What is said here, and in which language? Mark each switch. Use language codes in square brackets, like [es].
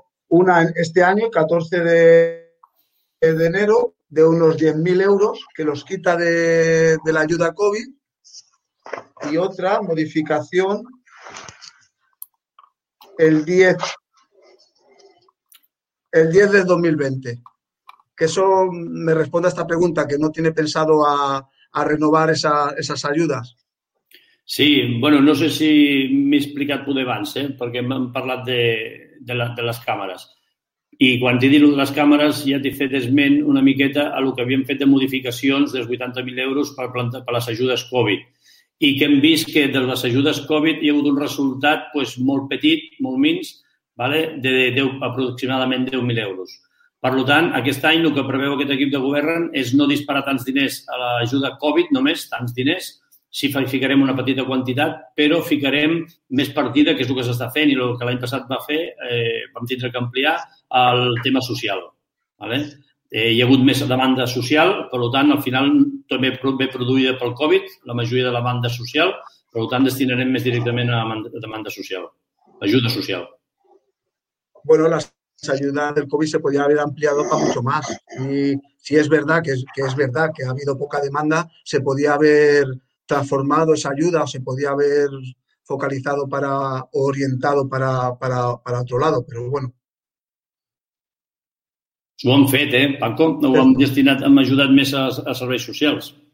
[es] Una este año, 14 de enero, de unos 10.000 euros que los quita de la ayuda COVID, y otra modificación el 10 de 2020. Que eso me responde a esta pregunta, que no tiene pensado a renovar esas ayudas. [ca] Sí, bueno, no sé si m'he explicat tu d'abans, perquè m'han parlat de les càmeres. I quan t'he dit les càmeres ja t'he fet esment una miqueta a el que havíem fet de modificacions dels 80.000 euros per les ajudes Covid. I que hem vist que de les ajudes Covid hi ha hagut un resultat pues, molt petit, molt minç, ¿vale? aproximadament 10.000 euros. Per tant, aquest any el que preveu aquest equip de govern és no disparar tants diners a l'ajuda Covid, només tants diners, si ficarem una petita quantitat, però ficarem més partida, que és el que s'està fent i el que l'any passat va fer, vam tindre que ampliar el tema social. ¿Vale? Hi ha hagut més demanda social, per tant, al final també ve produïda pel Covid, la majoria de la demanda social, per tant, destinarem més directament a demanda social, ajuda social. [es] Bueno, las ayudas del Covid se podrían haber ampliado para mucho más. Y si es verdad que ha habido poca demanda, se podía haber transformado esa ayuda o se podía haber focalizado para orientado para otro lado, pero bueno. [ca] Ho hem fet, Paco? Ho hem destinat, hem ajudat més a serveis socials.